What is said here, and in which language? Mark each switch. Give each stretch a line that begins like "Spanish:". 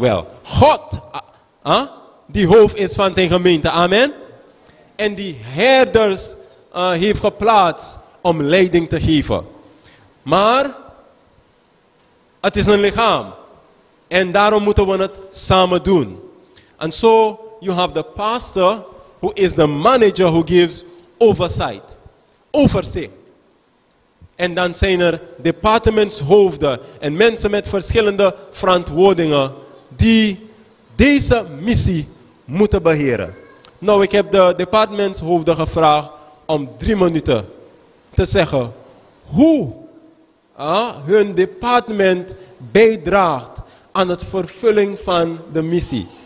Dutch: Wel, God, die hoofd is van zijn gemeente. Amen. En die herders heeft geplaatst om leiding te geven. Maar het is een lichaam. En daarom moeten we het samen doen.
English: And so you have the pastor who is the manager who gives oversight.
Dutch: Overzicht. En dan zijn er departementshoofden en mensen met verschillende verantwoordingen die deze missie moeten beheren. Nou, ik heb de departementshoofden gevraagd om 3 minuten te zeggen hoe hun departement bijdraagt aan het vervullen van de missie.